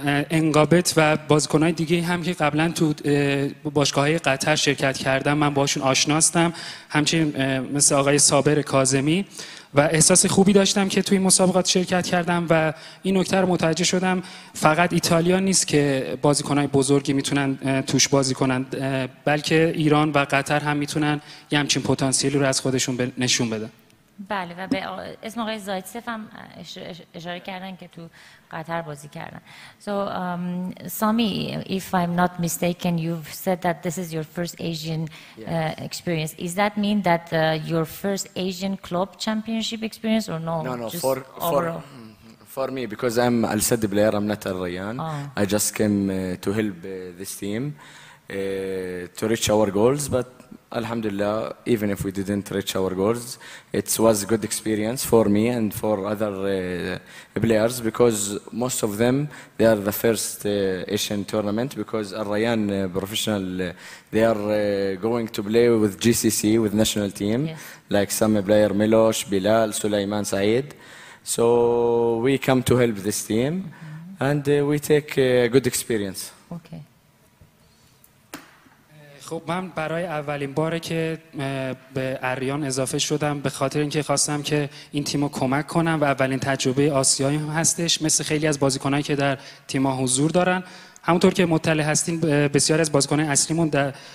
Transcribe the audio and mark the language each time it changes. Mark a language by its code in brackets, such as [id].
[fa] انقابت و بازیکنهای دیگه هم که قبلا تو باشگاه‌های قطر شرکت کردم من باشون آشنا هستم، همچنین مثل آقای صابر کاظمی، و احساس خوبی داشتم که توی مسابقات شرکت کردم و این نکته رو متوجه شدم فقط ایتالیا نیست که بازیکنهای بزرگی میتونن توش بازی کنن، بلکه ایران و قطر هم میتونن یه همچین پتانسیلی رو از خودشون نشون بدن. بله، و به اسم آقای زایتسف هم اشاره کردن که تو قطر بازی کردن. [en] So Sami, if I'm not mistaken, you've said that this is your first Asian experience. Is that mean that your first Asian club championship experience or no? No, for me, because I'm Al-Sadd player, I'm not AL-RAYYAN. Oh. I just came to help this team to reach our goals, but Alhamdulillah, even if we didn't reach our goals, it was a good experience for me and for other players, because most of them, they are the first Asian tournament, because AL-RAYYAN professional, they are going to play with GCC, with national team, yes. Like some player, Milosh, Bilal, Sulaiman, Saeed. So we come to help this team, mm-hmm. and we take a good experience. Okay. [fa] خب من برای اولین باره که به AL-RAYYAN اضافه شدم به خاطر اینکه خواستم که این تیمو کمک کنم و اولین تجربه آسیایی هم هستش، مثل خیلی از بازیکنایی که در تیم‌ها حضور دارن. همونطور که مطلع هستین، بسیاری از بازیکنان اصلیمون در